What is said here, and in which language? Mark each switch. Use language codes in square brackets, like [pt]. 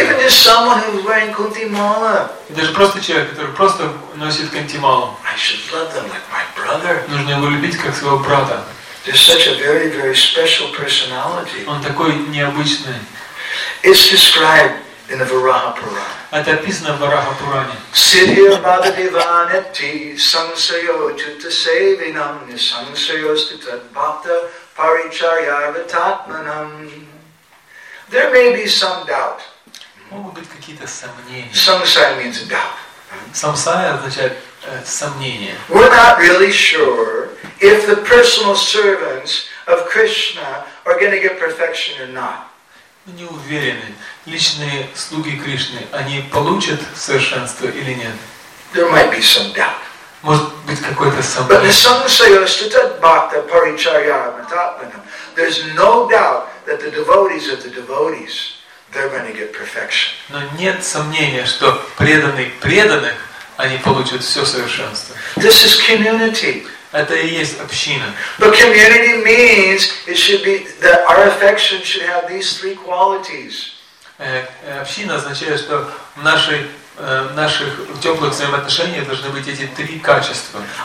[en] And even just someone who's wearing kunti mala. [ru] Даже просто человек, который просто носит кунти мала. [en] I should love them like my brother. [ru] Нужно его любить как своего брата. [en] There's such a very, very special personality. [ru] Он такой необычный. [en] It's described in the Varaha Purana. [ru] Это описано в Вараха Пуране. [sa] Siddhya Bhadivaneti Sansayo Chutta Sevinam Nisansayo Stitat Bhakta Paricharyavatatmanam. [en] There may be some doubt. [ru] Могут быть какие-то сомнения. [en] Samsaya means doubt. [ru] Samsaya означает сомнение. [en] We're not really sure if the personal servants of Krishna are going to get perfection or not. [ru] Мы не уверены, личные слуги Кришны, они получат совершенство или нет. [en] There might be some doubt. [ru] Может быть какое-то сомнение. [en] But there's some say that [sa] Stuttgart Bhakta Paricharya Matapanam. [en] There's no doubt that the devotees of the devotees, they're going to get perfection. [ru] Но нет сомнения, что преданные преданных, они получат все совершенство. [en] This is community. [ru] Это и есть община. [en] But community means it should be that our affection should have these three qualities. [ru] Община означает, что в наших теплых взаимоотношениях должны быть эти три качества.